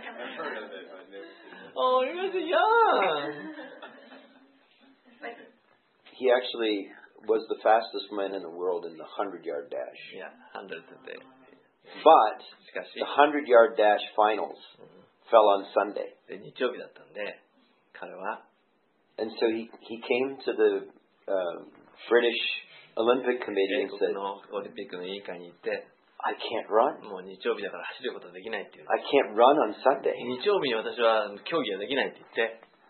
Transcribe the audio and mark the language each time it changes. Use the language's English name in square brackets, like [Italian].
[English] I've heard of it, but I've never seen it. Oh, he was young. He actually was the fastest man in the world in the 100-yard dash. Yeah, 100 today. But the 100-yard dash finals fell on Sunday. [Japanese] で、日曜日だったんで、彼は。 [English] And so he came to the British Olympic Committee and said, [Japanese] オリンピックの委員会に行って、 [English] I can't run. [Japanese] もう日曜日だから走ることできないっていう。 [English] I can't run on Sunday. [Japanese] 日曜日に私は競技ができないって言って、